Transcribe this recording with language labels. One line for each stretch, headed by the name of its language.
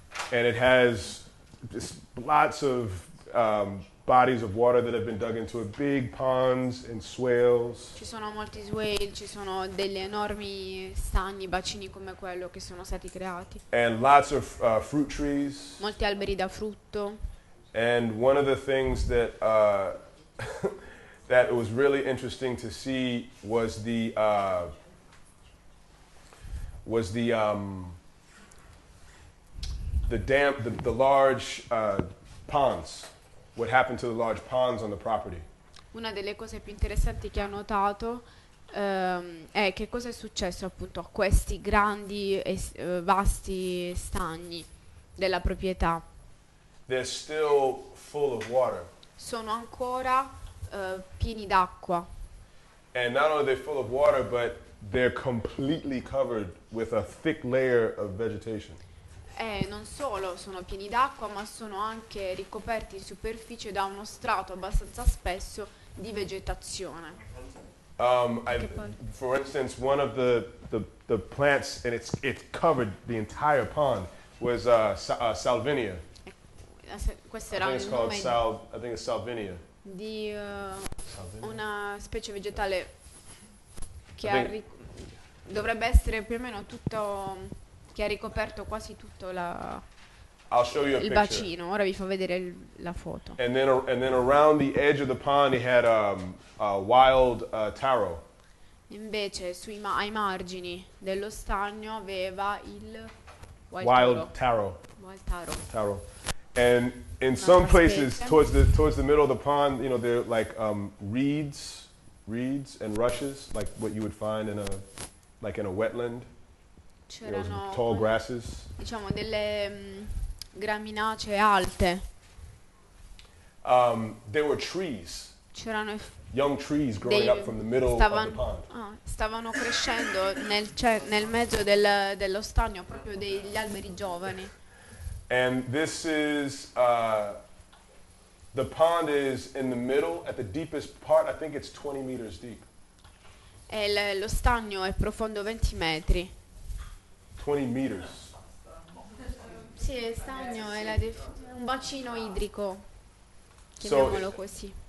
English: And it has just lots of bodies of water that have been dug into it, big ponds and swales.
Italian: Ci sono molti swale, ci sono degli enormi stagni, bacini come quello che sono stati creati.
English: And lots of fruit trees.
Italian: Molti alberi da frutto.
English: And one of the things that that was really interesting to see was the large ponds. What happened to the large ponds on the property?
Italian: Una delle cose più interessanti che ho notato è che cosa è successo appunto a questi grandi e vasti stagni della proprietà.
English: They're still full of water.
Italian: Sono ancora pieni d'acqua.
English: And not only are they full of water, but they're completely covered with a thick layer of vegetation.
Italian: Non solo sono pieni d'acqua, ma sono anche ricoperti in superficie da uno strato abbastanza spesso di vegetazione.
English: For instance, one of the plants, and it's covered the entire pond, was salvinia.
Italian: Questo era un nome.
English: I think it's salvinia.
Italian: Di una specie vegetale che ha dovrebbe essere più o meno tutto, che ha ricoperto quasi tutto il bacino. Ora vi fa vedere la foto.
English: And then around the edge of the pond he had a wild taro.
Italian: Invece ai margini dello stagno aveva il
English: wild taro. And in some places towards the middle of the pond, you know, they're like reeds and rushes, like what you would find in a wetland.
Italian: C'erano
English: tall grasses.
Italian: Diciamo delle graminacee alte.
English: There were trees.
Italian: C'erano
English: young trees growing up from the middle of the pond.
Italian: Stavano crescendo nel mezzo dello stagno, proprio degli alberi giovani.
English: And this is the pond is in the middle at the deepest part. I think it's 20 meters deep.
Italian: E lo stagno è profondo 20 metri.
English: 20 meters.
Italian: Sì, il stagno è un bacino idrico. Chiamiamolo così.